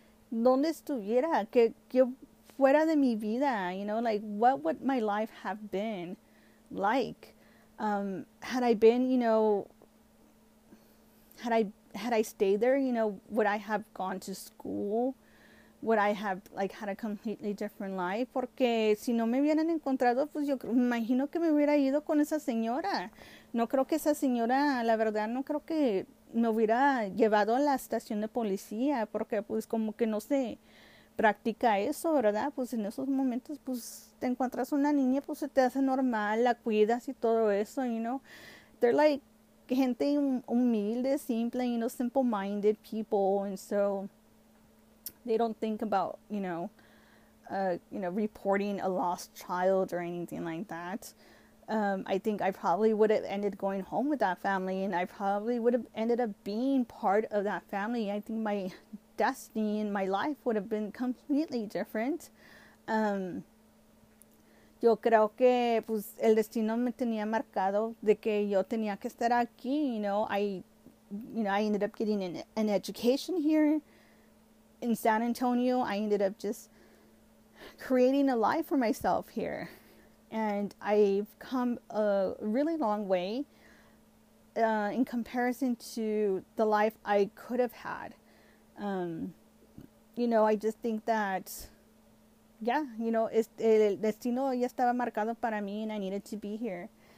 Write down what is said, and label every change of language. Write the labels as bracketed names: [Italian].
[Spanish] ¿Dónde estuviera? ¿Qué fuera de mi vida? [English] You know, like, what would my life have been like? Had I been, you know, had I stayed there, you know, would I have gone to school? Would I have, like, had a completely different life? [Spanish] Porque si no me hubieran encontrado, pues yo me imagino que me hubiera ido con esa señora. No creo que esa señora, la verdad, no creo que me hubiera llevado a la estación de policía, porque pues como que no se practica eso, ¿verdad? Pues en esos momentos, pues te encuentras una niña, pues se te hace normal, la cuidas y todo eso, [English] you know. They're like [Spanish] gente humilde, [English] simple, simple-minded people, and so they don't think about, reporting a lost child or anything like that. I think I probably would have ended going home with that family, and I probably would have ended up being part of that family. I think my destiny and my life would have been completely different. [Spanish] Yo creo que pues el destino me tenía marcado de que yo tenía que estar aquí, [English] I ended up getting an education here in San Antonio. I ended up just creating a life for myself here. And I've come a really long way in comparison to the life I could have had. I just think that, [Spanish] el destino ya estaba marcado para mí [English] and I needed to be here.